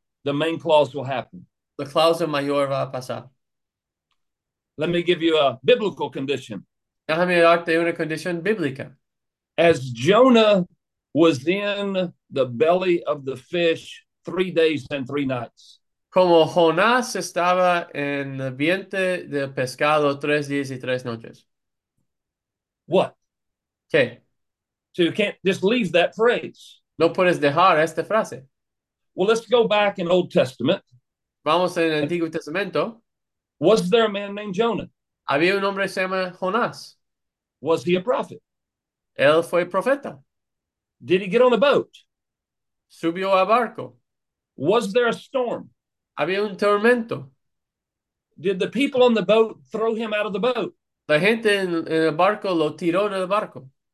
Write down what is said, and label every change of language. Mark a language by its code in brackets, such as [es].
[en] The main clause will happen. [es] la cláusula mayor va a pasar. [en] Let me give you a biblical condition. [es] Déjame darte una condición bíblica. [en] As Jonah was in the belly of the fish 3 days and three nights. [es] Como Jonás estaba en el vientre del pescado 3 días y 3 noches. [en] What? Okay. So you can't just leave that phrase. [es] No puedes dejar esta frase. [en] Well, let's go back in Old Testament. [es] Vamos en el Antiguo Testamento. [en] Was there a man named Jonah? [es] Había un hombre que se llama Jonás. [en] Was he a prophet? [es] Él fue profeta. [en] Did he get on a boat? [es] Subió a barco. [en] Was there a storm? [es] Había un tormento. [en] Did the people on the boat throw him out of the boat? [es] La gente en el barco lo tiró del barco.